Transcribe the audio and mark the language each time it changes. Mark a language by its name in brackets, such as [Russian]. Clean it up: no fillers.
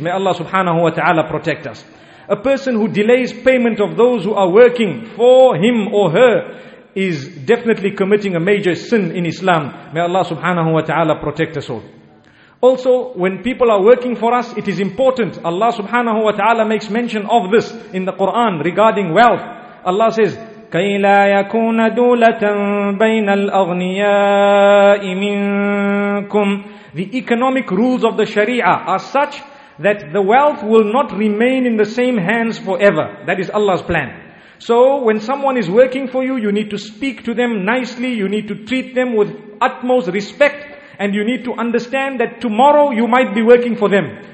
[English] May Allah subhanahu wa ta'ala protect us. A person who delays payment of those who are working for him or her is definitely committing a major sin in Islam. May Allah subhanahu wa ta'ala protect us all. Also, when people are working for us, it is important. Allah subhanahu wa ta'ala makes mention of this in the Quran regarding wealth. Allah says, [Arabic] كَيْ لَا يَكُونَ دُولَةً بَيْنَ الْأَغْنِيَاءِ مِنْكُمْ. [English] The economic rules of the Sharia are such that the wealth will not remain in the same hands forever. That is Allah's plan. So when someone is working for you, you need to speak to them nicely. You need to treat them with utmost respect. And you need to understand that tomorrow you might be working for them.